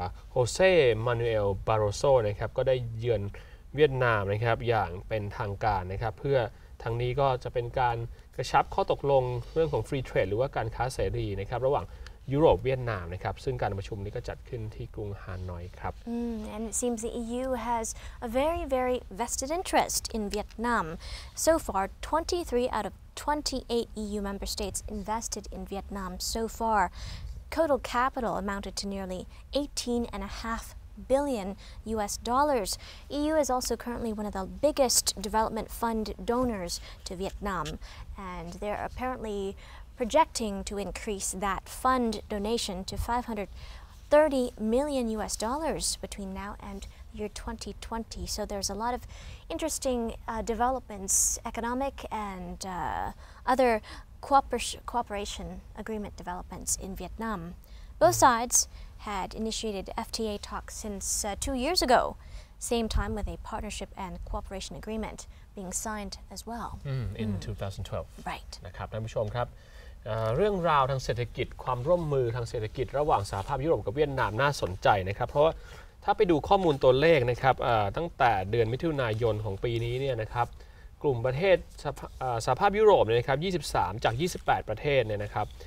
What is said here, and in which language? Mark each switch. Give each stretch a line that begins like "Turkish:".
Thai: โฮเซ่มานูเอลบาโรโซนะครับก็ได้เยือนเวียดนามนะครับอย่างเป็นทางการนะครับเพื่อทางนี้ก็จะเป็นการกระชับข้อตกลงเรื่องของฟรีเทรดหรือว่าการค้าเสรีนะครับระหว่างยุโรปเวียดนามนะครับซึ่งการประชุมนี้ก็จัดขึ้นที่กรุงฮานอยครับ
English: And it seems the EU has a very very vested interest in Vietnam. So far 23 out of 28 EU member states invested in Vietnam so far. Total capital amounted to nearly 18.5 billion US dollars. EU is also currently one of the biggest development fund donors to Vietnam and they're apparentlyprojecting to increase that fund donation to 530 million US dollars between now and year 2020 so there's a lot of interesting developments economic and other cooperation agreement developments in Vietnam both sides had initiated FTA talks since 2 years ago same time with a partnership and cooperation agreement being signed as well in 2012 right
Thai: นะครับท่านผู้ชมครับเรื่องราวทางเศรษฐกิจความร่วมมือทางเศรษฐกิจระหว่างสหภาพยุโรปกับเวียดนามน่าสนใจนะครับเพราะว่าถ้าไปดูข้อมูลตัวเลขนะครับตั้งแต่เดือนมิถุนายนของปีนี้เนี่ยนะครับกลุ่มประเทศสหภาพยุโรปเนี่ยนะครับ23จาก28ประเทศเนี่ยนะครับ